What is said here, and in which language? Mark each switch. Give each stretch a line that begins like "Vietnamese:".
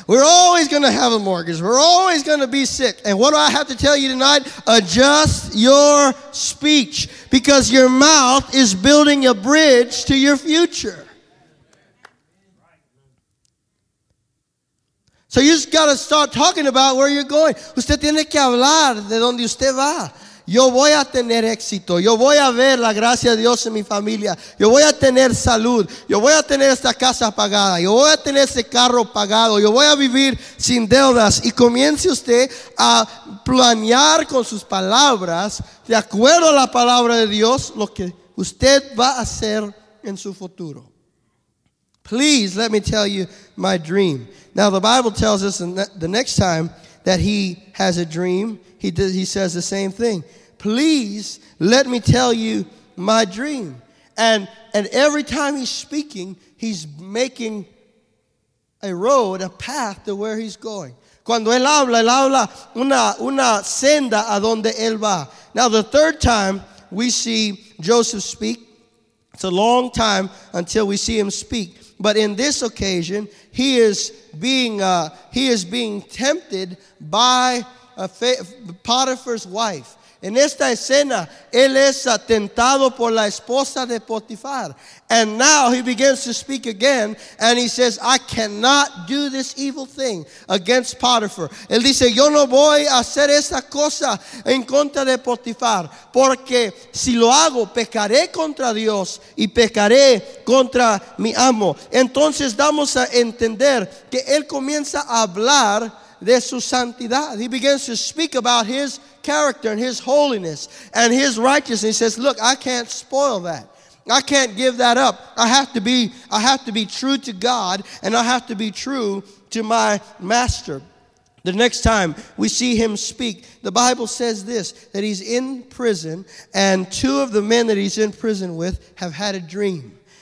English: We're always going to have a mortgage. We're always going to be sick. And what do I have to tell you tonight? Adjust your speech, because your mouth is building a bridge to your future. So you just got to start talking about where you're going.
Spanish: Usted tiene que hablar de donde usted va. Yo voy a tener éxito. Yo voy a ver la gracia de Dios en mi familia. Yo voy a tener salud. Yo voy a tener esta casa pagada. Yo voy a tener ese carro pagado. Yo voy a vivir sin deudas. Y comience usted a planear con sus palabras, de acuerdo a la palabra de Dios, lo que usted va a hacer en su futuro.
English: Please let me tell you my dream. Now the Bible tells us the next time that he has a dream, he says the same thing. Please let me tell you my dream. And every time he's speaking, he's making a road, a path to where he's going.
Spanish: Cuando él habla una senda a donde él va.
English: Now the third time we see Joseph speak, it's a long time until we see him speak. But in this occasion, he is being tempted by Potiphar's wife.
Spanish: En esta escena, él es tentado por la esposa de Potifar.
English: And now he begins to speak again, and he says, I cannot do this evil thing against Potiphar.
Spanish: Él dice, yo no voy a hacer esa cosa en contra de Potifar, porque si lo hago, pecaré contra Dios y pecaré contra mi amo. Entonces damos a entender que él comienza a hablar de su santidad.
English: He begins to speak about his character and his holiness and his righteousness. He says, look, I can't spoil that. I can't give that up. I have to be true to God, and I have to be true to my master. The next time we see him speak, the Bible says this, that he's in prison, and two of the men that he's in prison with have had a dream.